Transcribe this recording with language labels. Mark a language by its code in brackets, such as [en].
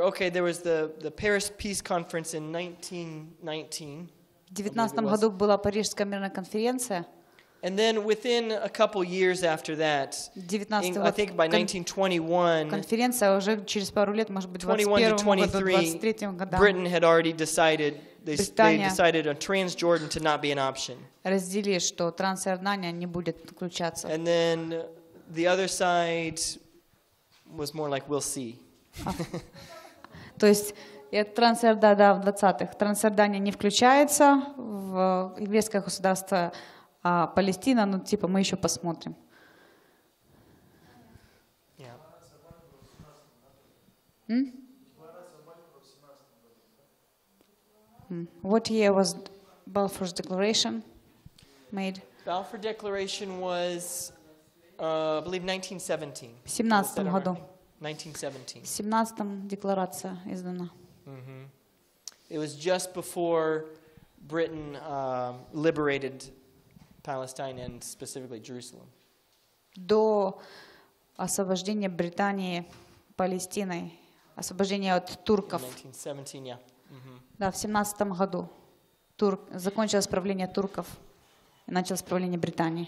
[en] Okay, there was the Paris Peace Conference in 1919. [ru] В 19 году была Парижская мирная конференция. [en] And then within a couple years after that, I think by 1921, [ru] конференция уже через пару лет, может быть, 21-23 годам, [en] Britain had already decided they decided on Transjordan to not be an option. [ru] Разделили, что Трансиордания не будет включаться. [en] And then the other side was more like we'll see. [ru] То есть Трансиордания в 20-х, Трансиордания не включается в еврейское государство. А Палестина, ну типа мы еще посмотрим. [en] Yeah. What year was Balfour's declaration made? Balfour declaration was, I believe, 1917. [ru] В 17 году. [en] 1917. [ru] В 17 декларация издана. [en] It was just before Britain liberated Palestine and specifically Jerusalem. [ru] До освобождения Британии Палестиной, освобождения от турков. [en] 1917, yeah. Mm-hmm. [ru] Да, в 17 году закончилось правление турков и началось правление Британии.